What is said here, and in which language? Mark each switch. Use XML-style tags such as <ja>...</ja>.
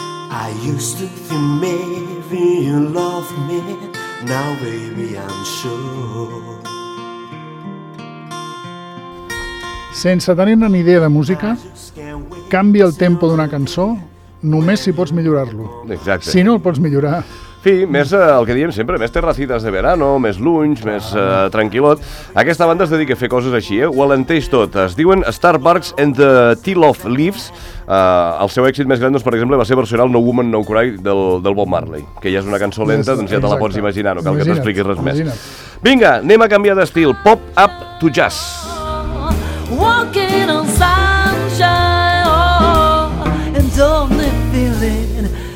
<en>I used to think maybe you loved me, now baby I'm sure.</en> <ca>Sense tenir-ne ni idea de música, canvia el tempo d'una cançó només si pots millorar-lo. Exacte. Si no, el pots millorar. Sí, més el que diem sempre, més terracites de verano, més lunys, més tranquilot. Aquesta banda es dedica a fer coses així, ho alenteix tot. Es diuen Starbucks and the Teal of Leaves. El seu èxit més gran, doncs, per exemple, va ser versionar el No Woman, No Cry del Bob Marley, que ja és una cançó lenta, doncs ja te la pots imaginar, no cal que t'expliquis res més. Vinga, anem a canviar d'estil.</ca> <en>Pop up to jazz. Walking on sunshine, and don't it feel it.</en>